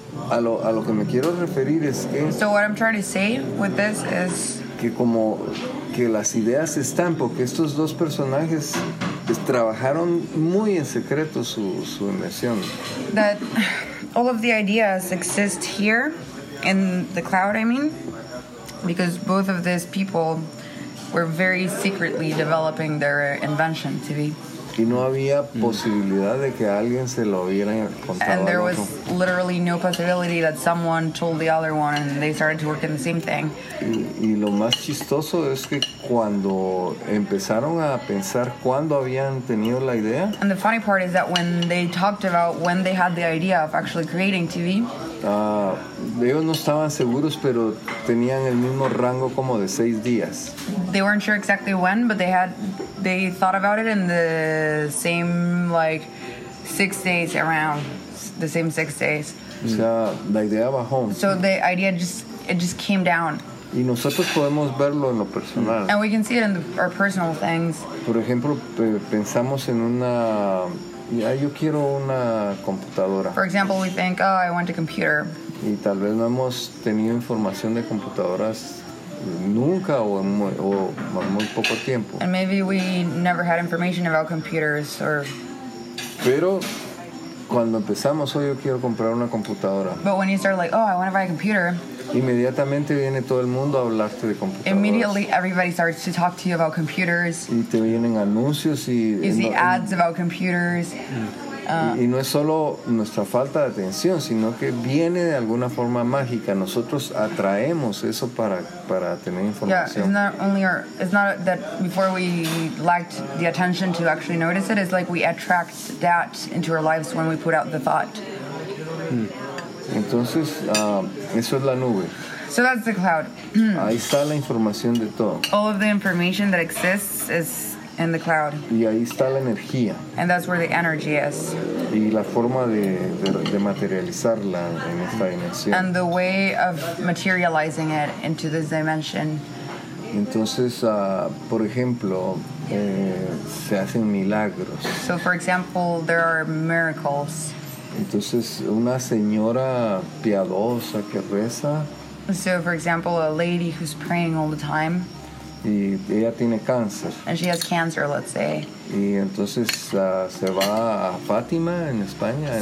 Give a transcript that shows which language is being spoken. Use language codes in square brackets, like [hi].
[es] A lo que me quiero referir es que. [en] So what I'm trying to say with this is. [es] Que como que las ideas están porque estos dos personajes trabajaron muy en secreto su inversión. [en] That all of the ideas exist here in the cloud. I mean. Because both of these people were very secretly developing their invention, TV. [es] Y no había posibilidad de que alguien se lo hubiera contado. [en] And there was literally no possibility that someone told the other one and they started to work in the same thing. [es] Y lo más chistoso es que cuando empezaron a pensar cuándo habían tenido la idea. [en] And the funny part is that when they talked about when they had the idea of actually creating TV. [es] Ellos no estaban seguros, pero tenían el mismo rango como de 6 días. [en] They weren't sure exactly when, but they thought about it in the same, like, 6 days around, the same 6 days. [es] O sea, la idea bajó. [en] So the idea just came down. [es] Y nosotros podemos verlo en lo personal. [en] And we can see it in our personal things. [es] Por ejemplo, pensamos en una... Yeah, yo quiero una computadora. [en] For example, we think, oh, I want a computer. [es] Y tal vez no hemos tenido información de computadoras nunca o en muy poco tiempo. [en] And maybe we never had information about computers or... [es] Pero cuando empezamos, oh, yo quiero comprar una computadora. [en] But when you start like, oh, I want to buy a computer. [es] Inmediatamente viene todo el mundo a hablarte de computadoras. [en] Immediately everybody starts to talk to you about computers. [es] Y te vienen anuncios y... [en] You see ads about computers. [es] Y no es solo nuestra falta de atención, sino que viene de alguna forma mágica. Nosotros atraemos eso para tener información. [en] Yeah, it's not that before we lacked the attention to actually notice it. It's like we attract that into our lives when we put out the thought. [es] Entonces, eso es la nube. [en] So that's the cloud. [es] Ahí está la información de todo. [en] All of the information that exists is in the cloud. [es] Y ahí está la energía. [en] And that's where the energy is. [es] Y la forma de materializarla en esta dimensión. [en] And the way of materializing it into this dimension. [es] Entonces, por ejemplo, se hacen milagros. [en] So, for example, there are miracles. [es] Entonces, una señora piadosa que reza. [en] So, for example, a lady who's praying all the time. [es] Y ella tiene cáncer. [en] And she has cancer, let's say. [es] Y entonces se va a Fátima en España,